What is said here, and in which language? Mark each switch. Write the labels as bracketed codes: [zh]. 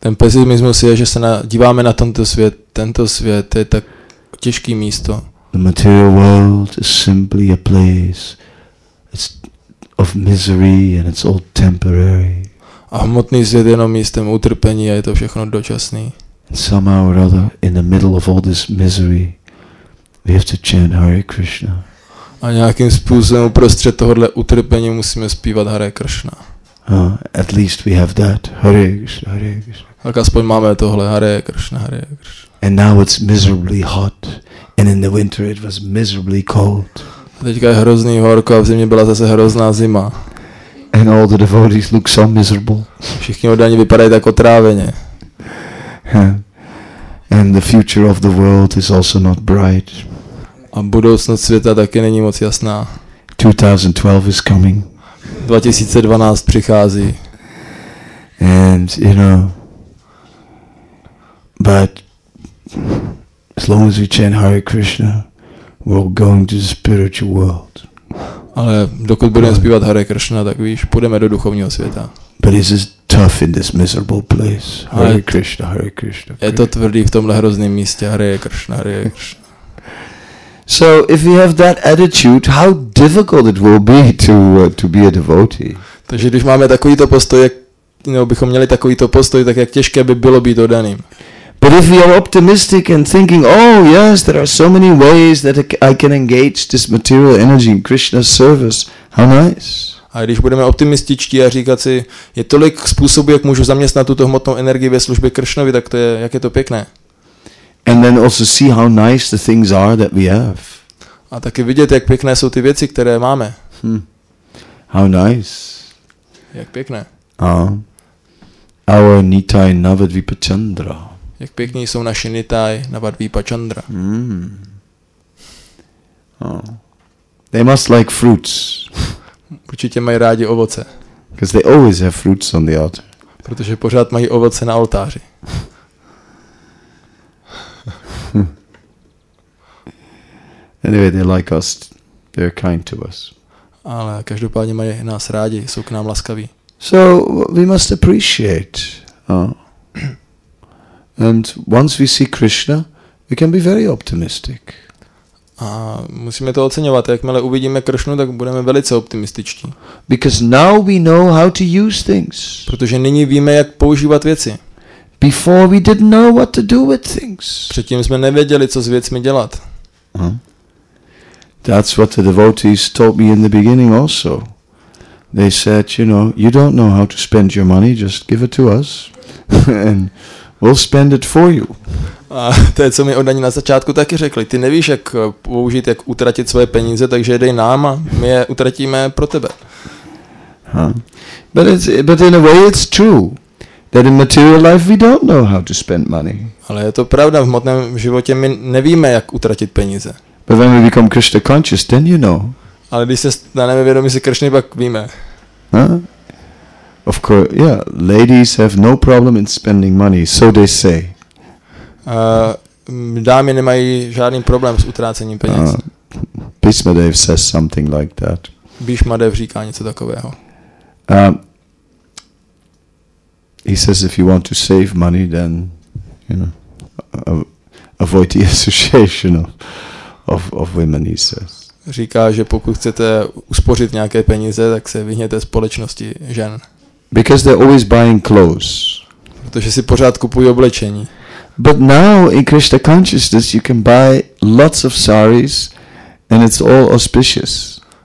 [cs] Ten pesimismus je, že se díváme na tento svět je tak těžký místo. [en] The material world is simply a place. It's of misery and it's all temporary. [cs] A hmotný svět je jenom místem utrpení a je to všechno dočasný. [en] And somehow or other, in the middle of all this misery, we have to chant Hare Krishna. [cs] A nějakým způsobem uprostřed tohohle utrpení musíme zpívat Hare Krishna. [en] At least we have that. Hare Krishna, Hare Krishna. [cs] Tak aspoň máme tohle Hare Krishna, Hare Krishna. [en] And now it's miserably hot. And in the winter it was miserably cold. [cs] A teďka je hrozný horko a v zimě byla zase hrozná zima. [en] And all the devotees look so miserable. [cs] Všichni oddaní vypadají tak otráveně. [en] And the future of the world is also not bright. [cs] A budoucnost světa taky není moc jasná. [en] 2012 is coming. [cs] 2012 přichází. [en] And you know, but as long as we chant Hare Krishna, we're going to the spiritual world. [cs] Ale dokud budeme zpívat Hare Krishna, tak víš, půjdeme do duchovního světa. [en] But is it tough in this miserable place? Hare Krishna, Hare Krishna. [cs] Je to tvrdý v tomhle hrozném místě, Hare Krishna, Hare Krishna. [en] So if we have that attitude, how difficult it will be to be a devotee. [cs] Takže když máme takovýto postoj, jak, nebo bychom měli takovýto postoj, tak jak těžké by bylo být oddaným. [en] But if we are optimistic and thinking, oh yes, there are so many ways that I can engage this material energy in Krishna's service, how nice. [cs] A když budeme optimističtí a říkat si, je tolik způsobů, jak můžu zaměstnat tuto hmotnou energii ve službě Kršnovi, tak to je, jak je to pěkné. [en] And then also see how nice the things are that we have. [cs] A taky vidět, jak pěkné jsou ty věci, které máme. [en] How nice. [cs] Jak pěkné. [en] Our Nitai Navadvipa Chandra. [cs] Jak pěkný jsou naši Nitai Navadvipa Chandra. [en] They must like fruits. [cs] Určitě mají rádi ovoce. [en] Because they always have fruits on the altar. [cs] Protože pořád mají ovoce na oltáři. [en] Anyway, they like us. They're kind to us. [cs] Ale každopádně mají nás rádi, jsou k nám laskaví. [en] So we must appreciate. And once we see Krishna, we can be very optimistic. [cs] A musíme to oceňovat. Jakmile uvidíme Krishnu, tak budeme velice optimističtí. [en] Because now we know how to use things. [cs] Protože nyní víme, jak používat věci. [en] Before we didn't know what to do with things. [cs] Předtím jsme nevěděli, co s věcmi dělat. [en] That's what the devotees taught me in the beginning also. They said, you know, you don't know how to spend your money, just give it to us and we'll spend it for you. [cs] A to je, co mi oddaní na začátku taky řekli. Ty nevíš, jak použít, jak utratit svoje peníze, takže dej nám a my je utratíme pro tebe. [en] But in a way it's true that in material life we don't know how to spend money. [cs] Ale je to pravda, v hmotném životě my nevíme, jak utratit peníze. [en] But when we become Krishna conscious, then you know. [cs] Ale když se staneme vědomí si Kršny, pak víme. [en] Of course, yeah, ladies have no problem in spending money, so they say. [cs] Dámy nemají žádný problém s utrácením peněz. [en] Bhishma Dev says something like that. [cs] Bhishma Dev říká něco takového. [en] He says if you want to save money, then, you know, avoid the association of women, he says. [cs] Říká, že pokud chcete uspořit nějaké peníze, tak se vyhněte společnosti žen. [en] Because they're always buying clothes. [cs] Protože si pořád kupují oblečení. [en] But now in Krishna consciousness you can buy lots of saris and it's all auspicious.